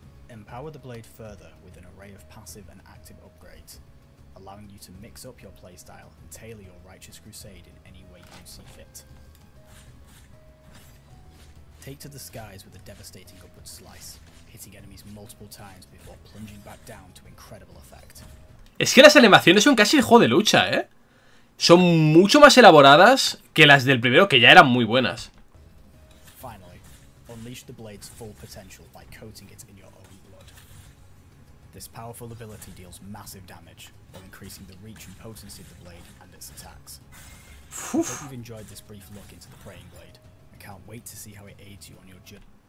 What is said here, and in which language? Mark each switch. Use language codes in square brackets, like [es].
[en] Empower the blade further with an array of passive and active upgrades, allowing you to mix up your playstyle and tailor your Righteous Crusade in any way you see fit. Take to the skies with a devastating upward slice, hitting enemies multiple times before plunging back down to incredible effect. [es] Es que las animaciones son casi el juego de lucha, ¿eh? Son mucho más elaboradas que las del primero, que ya eran muy buenas. [en] Finally, unleash the blade's full potential by coating it in your own blood. This powerful ability deals massive damage, while increasing the reach and potency of the blade and its attacks. Uf. I hope you've enjoyed this brief look into the praying blade. I can't wait to see how it aids you on your journey.